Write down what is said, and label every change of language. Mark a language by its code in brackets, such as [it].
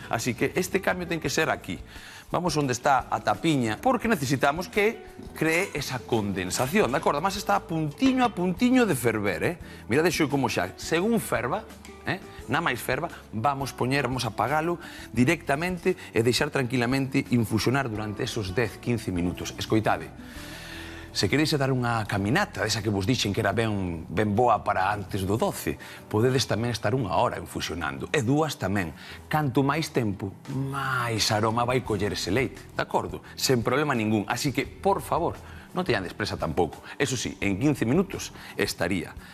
[es] Así que este cambio tiene que ser aquí. Vamos donde [gl] está a tapiña, [es] porque necesitamos que cree esa condensación, [gl] de acordo? Además está a puntiño de ferver, ¿eh? [es] Mirad eso [gl] como xa, según ferva, ¿eh? [es] Nada más ferva, vamos a poner, vamos a apagarlo directamente y dejar tranquilamente infusionar durante esos 10-15 minutos. [gl] Escoitade. Se queréis dar unha caminata, esa que vos dixen que era ben boa para antes do 12, podedes tamén estar unha hora infusionando, e dúas tamén. Canto máis tempo, máis aroma vai coller ese leite, de acordo? Sen problema ningún, así que, por favor, non te andes presa tampouco. Eso sí, en 15 minutos estaría.